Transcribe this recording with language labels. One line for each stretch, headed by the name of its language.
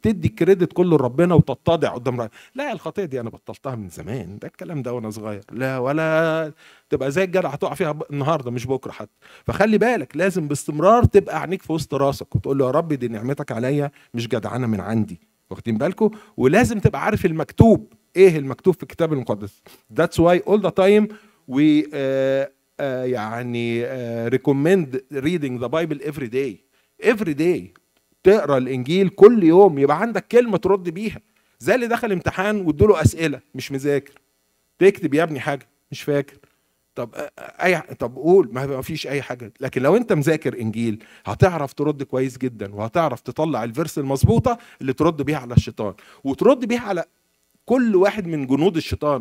Arabic: تدي كريدت كله لربنا وتتضع قدام رأي. لا الخطيه دي انا بطلتها من زمان، ده الكلام ده وانا صغير. لا ولا تبقى زي الجدع هتقع فيها النهارده مش بكره حتى. فخلي بالك لازم باستمرار تبقى عينيك في وسط راسك وتقول له يا رب دي نعمتك عليا مش جدعانه من عندي. واخدين بالكم؟ ولازم تبقى عارف المكتوب ايه، المكتوب في الكتاب المقدس.
English: That's why all the time we يعني recommend reading the Bible every day. Every day
Arabic: تقرأ الإنجيل كل يوم، يبقى عندك كلمة ترد بيها. زي اللي دخل امتحان وادوا له أسئلة مش مذاكر، تكتب يا ابني حاجة مش فاكر، طب أي طب قول ما فيش أي حاجة. لكن لو أنت مذاكر إنجيل هتعرف ترد كويس جدا، وهتعرف تطلع الفيرس المظبوطة اللي ترد بيها على الشيطان، وترد بيها على كل واحد من جنود الشيطان.